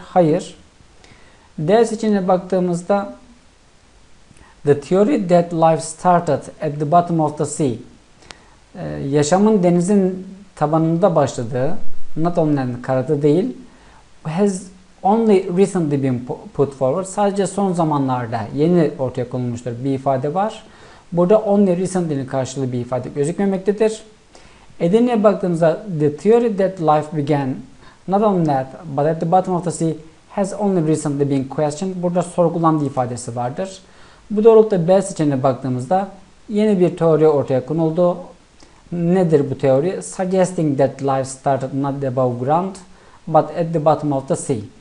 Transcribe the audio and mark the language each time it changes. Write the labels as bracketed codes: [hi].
[tr] Hayır. D seçeneğine baktığımızda [en] the theory that life started at the bottom of the sea. [tr] Yaşamın denizin tabanında başladığı, not only karada değil, [en] has only recently been put forward. [tr] Sadece son zamanlarda yeni ortaya konulmuştur bir ifade var. Burada only recently'nin karşılığı bir ifade gözükmemektedir. Edirne'ye baktığımızda [en] the theory that life began, not only that, but at the bottom of the sea has only recently been questioned. [tr] Burada sorgulandı ifadesi vardır. Bu doğrultuda B seçeneğine baktığımızda yeni bir teori ortaya konuldu. Nedir bu teori? [en] Suggesting that life started not above ground but at the bottom of the sea.